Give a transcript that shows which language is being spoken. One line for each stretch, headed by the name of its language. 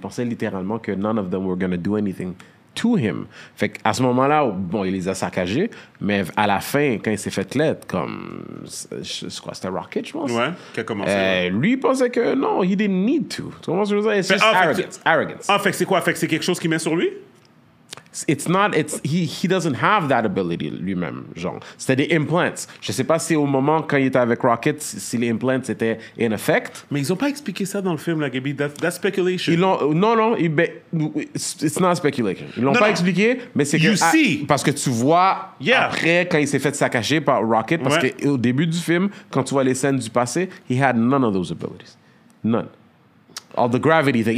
French: Il pensait littéralement que
English: none of them were going to do anything to him.
French: Fait qu'à ce moment-là, bon, il les a saccagés, mais à la fin, quand il s'est fait l'aide, comme, je crois, c'était Rocket, je pense. Ouais, qui a commencé. Lui, il pensait que non,
English: he didn't need to.
French: Tu comprends ce que je veux dire? C'est juste arrogance. Ah, fait que c'est quoi? Fait que c'est quelque chose qu'il met sur lui?
English: He doesn't have that ability
French: lui-même, genre. C'était des implants. Je sais pas si au moment quand il était avec Rocket, si les implants étaient
English: in effect.
French: Mais ils ont pas expliqué ça dans le film, là, Gabby.
English: That's speculation. It's not speculation.
French: Ils l'ont pas expliqué, mais c'est que. Parce que tu vois après quand il s'est fait saccager par Rocket, parce qu'au début du film, quand tu vois les scènes du passé,
English: he had none of those abilities. None. All the gravity thing.